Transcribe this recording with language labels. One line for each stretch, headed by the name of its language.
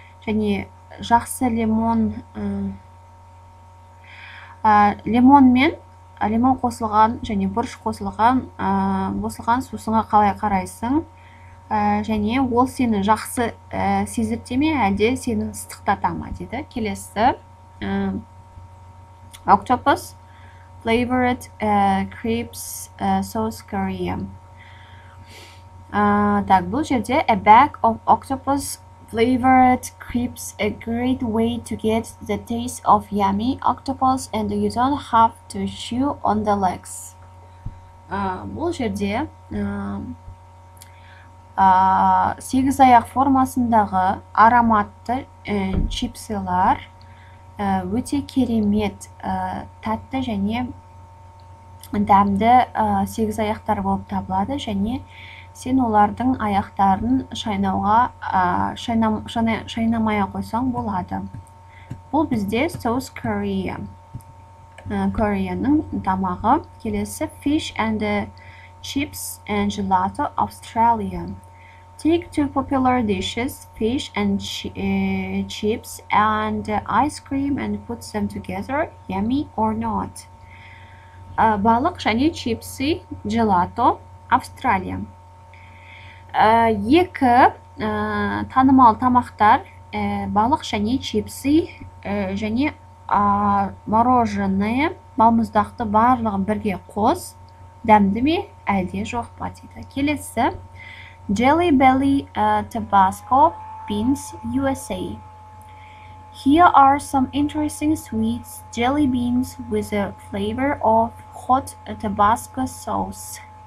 Kazakh: Және жақсы лимон қосылған және бұрыш қосылған сусыңа қалай қарайсың, және ол сені жақсы сезірте ме, әлде сені ыстықтата ма дейді. Келесі,
English: octopus flavored crepes South Korea.
Kazakh: Так, бұл жерде
English: a bag of octopus flavored crepes, a great way to get the taste of yummy octopus and you don't have to chew on the legs.
Kazakh: Бұл жерде 8 аяқ формасындағы ароматты чипсылар өте керемет, тәтті және дәмді 8 аяқтар болып табылады, және сен олардың аяқтарын шайнамайын қойсаң болады. Бұл бізде South Korea. Кореяның тамағы. Келесі,
English: fish and chips and gelato Australia. Take two popular dishes, fish and chips and ice cream and put them together, yummy or not.
Kazakh: Балық және чипсы,
English: gelato Australia.
Kazakh: Екі танымал тамақтар, балық және чипсы, және мороженое, балмұздақты барлығын бірге қос, дәмді ме, әлде жоқ па дейді. Келесі,
English: Jelly Belly Tabasco Beans USA. Here are some interesting sweets, jelly beans with a flavor of hot Tabasco sauce.